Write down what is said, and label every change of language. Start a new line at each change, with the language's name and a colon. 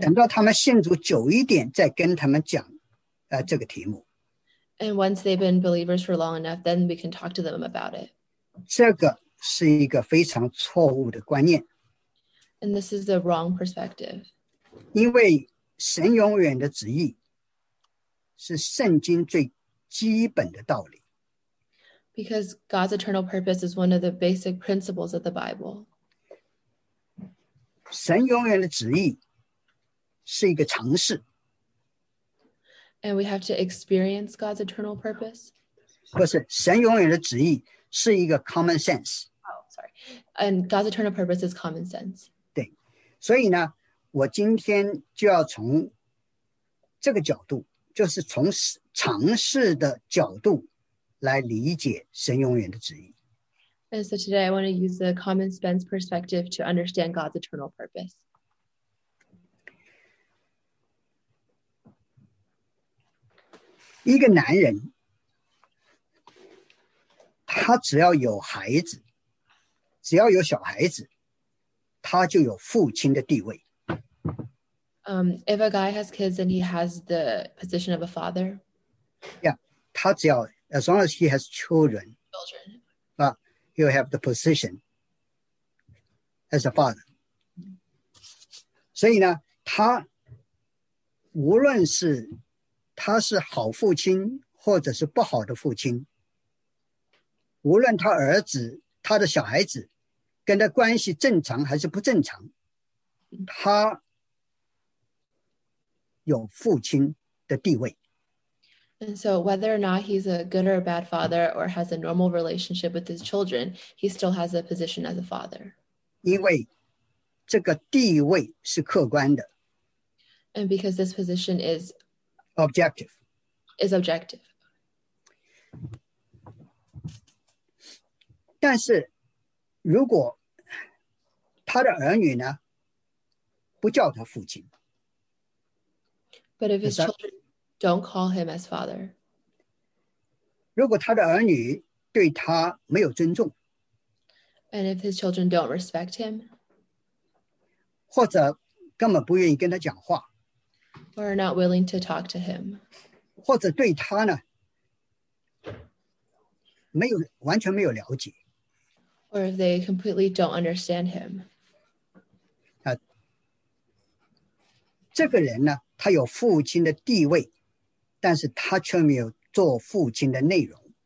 Chinese: 等到他们信主久一点再跟他们讲。这个题目。
English: And once they've been believers for long enough, then we can talk to them about it.
Chinese: 这个是一个非常错误的观念。
English: And this is the wrong perspective.
Chinese: 因为神永远的旨意是圣经最基本的道理。
English: Because God's eternal purpose is one of the basic principles of the Bible.
Chinese: 神永远的旨意是一个常识。
English: And we have to experience God's eternal purpose.
Chinese: 不是，神永远的旨意是一个
English: common sense. Oh, sorry. And God's eternal purpose is common sense.
Chinese: 对，所以呢，我今天就要从这个角度，就是从尝试的角度来理解神永远的旨意。
English: And so today I want to use the common sense perspective to understand God's eternal purpose.
Chinese: 一个男人，他只要有孩子，只要有小孩子，他就有父亲的地位。
English: If a guy has kids and he has the position of a father. Yeah,
Chinese: 他只要
English: as long as he has children. He'll have the position as a father.
Chinese: 所以呢，他无论是他是好父亲或者是不好的父亲，无论他儿子他的小孩子跟他关系正常还是不正常，他有父亲的地位。
English: And so whether or not he's a good or a bad father or has a normal relationship with his children, he still has a position as a father.
Chinese: 因为这个地位是客观的。
English: And because this position is objective. Is objective.
Chinese: 但是如果他的儿女呢不叫他父亲。
English: But if his children... Don't call him as father.
Chinese: 如果他的儿女对他没有尊重,
English: and if his children don't respect him,
Chinese: 或者根本不愿意跟他讲话,
English: or are not willing to talk to him,
Chinese: 或者对他呢, 没有, 完全没有了解,
English: or if they completely don't understand him,
Chinese: 啊, 这个人呢, 他有父亲的地位。但是他却没有做父亲的内容。